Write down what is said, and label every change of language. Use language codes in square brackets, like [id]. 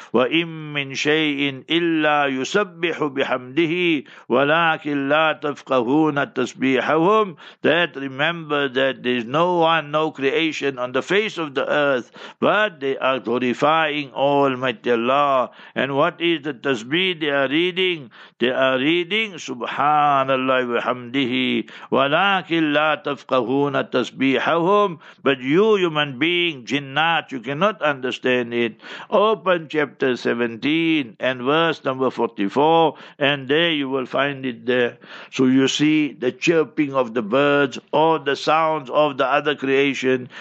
[ar] وَإِمْ مِنْ شَيْءٍ إِلَّا يُسَبِّحُ بِحَمْدِهِ حمده ولكن لا تفقهون تسبيحهم. [en] That remember that there is no one, no creation on the face of the earth, but they are glorifying Almighty Allah. And what is the tasbih they are reading? They are reading [ar] Subhanallah وحمده ولكن لا تفقهون تسبيحهم. [en] But you human being, jinnat, you cannot understand it. Open chapter 17 and verse number 44. and there you will find it there. So you see the chirping of the birds or the sounds of the other creation.